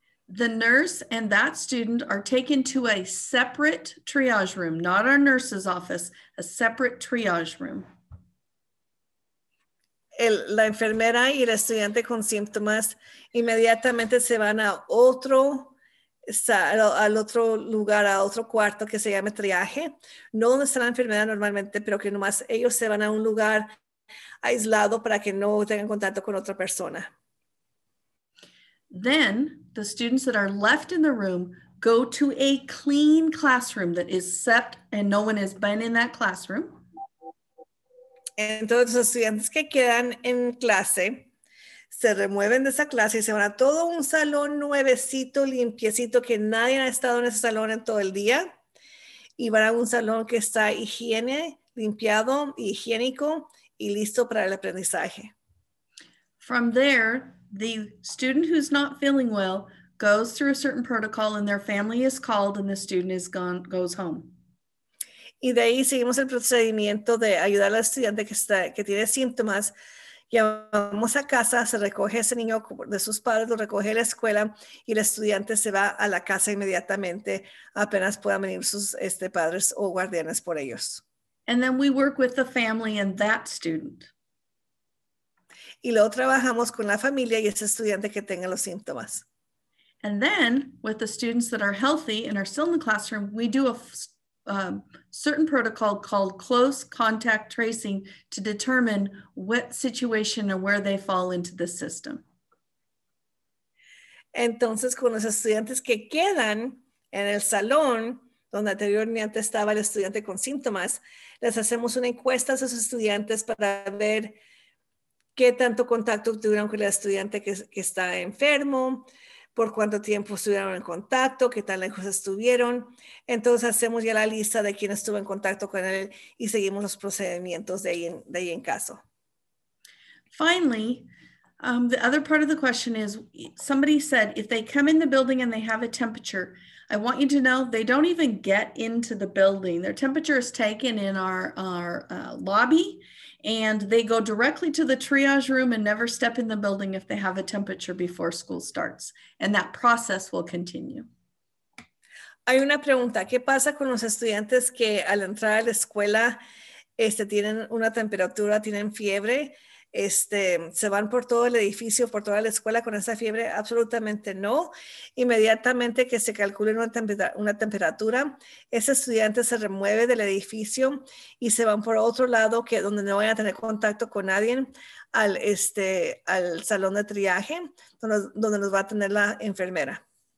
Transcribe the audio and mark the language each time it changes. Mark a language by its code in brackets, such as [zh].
[en] The nurse and that student are taken to a separate triage room, not our nurse's office, a separate triage room. [es] La enfermera y el estudiante con síntomas inmediatamente se van a otro, al otro lugar, a otro cuarto que se llama triaje. No donde está la enfermera normalmente, pero que nomás ellos se van a un lugar aislado para que no tengan contacto con otra persona. [en] Then the students that are left in the room go to a clean classroom that is set and no one has been in that classroom. [es] Entonces, los estudiantes que quedan en clase se remueven de esa clase y se van a todo un salón nuevecito, limpiecito, que nadie ha estado en ese salón en todo el día. Y van a un salón que está higiene, limpiado, higiénico y listo para el aprendizaje. [en] From there, the student who's not feeling well goes through a certain protocol and their family is called and the student is gone, goes home. [es] Y de ahí seguimos el procedimiento de ayudar al estudiante que está, que tiene síntomas. Llamamos a casa, se recoge ese niño de sus padres, lo recoge a la escuela y el estudiante se va a la casa inmediatamente apenas puedan venir sus padres o guardianes por ellos. [en] And then we work with the family and that student. [es] Y luego trabajamos con la familia y ese estudiante que tenga los síntomas. [en] And then with the students that are healthy and are still in the classroom, we do a certain protocol called close contact tracing to determine what situation or where they fall into the system. [es] Entonces, con los estudiantes que quedan en el salón donde anteriormente estaba el estudiante con síntomas, les hacemos una encuesta a esos estudiantes para ver qué tanto contacto tuvieron con el estudiante que está enfermo, por cuánto tiempo estuvieron en contacto, qué tan lejos estuvieron. Entonces hacemos ya la lista de quién estuvo en contacto con él y seguimos los procedimientos de ahí en caso. [en] Finally, the other part of the question is, somebody said, if they come in the building and they have a temperature, I want you to know they don't even get into the building. Their temperature is taken in our lobby and they go directly to the triage room and never step in the building if they have a temperature before school starts. And that process will continue. [es] Hay una pregunta, ¿qué pasa con los estudiantes que al entrar a la escuela tienen una temperatura, tienen fiebre? Se van por todo el edificio, por toda la escuela con esa fiebre? Absolutamente no. Inmediatamente que se calcule una temperatura, ese estudiante se remueve del edificio y se van por otro lado que donde no van a tener contacto con nadie al salón de triaje donde nos va a tener la enfermera.